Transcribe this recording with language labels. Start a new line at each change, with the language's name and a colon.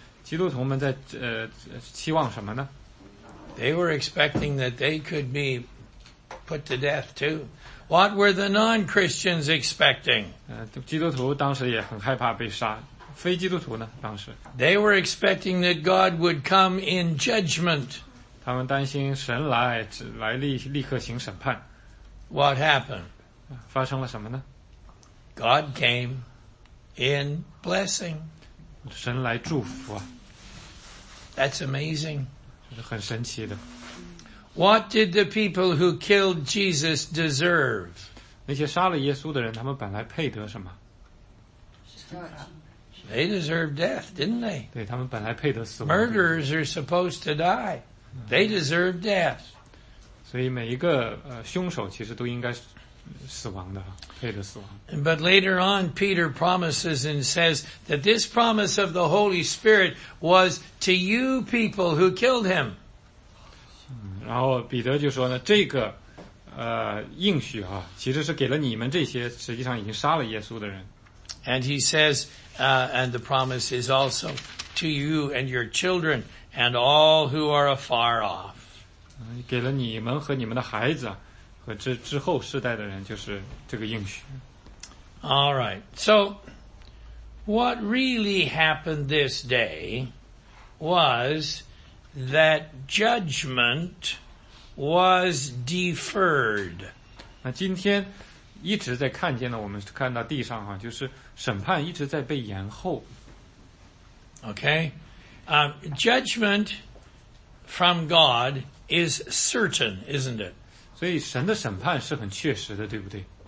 Chinese: 基督徒们在期望什么呢？
English: They were expecting that they could be put to death too. What were the non-Christians expecting?
Chinese: 基督徒当时也很害怕被杀。非基督徒呢，当时。
English: They were expecting that God would come in judgment.
Chinese: 他们担心神来，只来立刻行审判。
English: What happened?
Chinese: 发生了什么呢？
English: God came in blessing.
Chinese: 神来祝福啊。
English: That's amazing.
Chinese: 这是很神奇的。
English: What did the people who killed Jesus deserve?
Chinese: 那些杀了耶稣的人，他们本来配得什么？
English: They deserved death, didn't they?
Chinese: 对，他们本来配得死亡。
English: Murderers are supposed to die. They deserve death.
Chinese: 所以每一个凶手其实都应该死亡的，配得死亡。
English: But later on, Peter promises and says that this promise of the Holy Spirit was to you people who killed him.
Chinese: 然后彼得就说呢，这个应许啊，其实是给了你们这些实际上已经杀了耶稣的人。
English: And he says, and the promise is also to you and your children and all who are afar off.
Chinese: 给了你们和你们的孩子和这之后世代的人就是这个应许。
English: All right. So, what really happened this day was that judgment was deferred.
Chinese: 那今天一直在看见的我们看到地上啊就是审判一直在被延后。
English: Okay. Judgment from God is certain, isn't it?
Chinese: 所以神的审判是很确实的对不对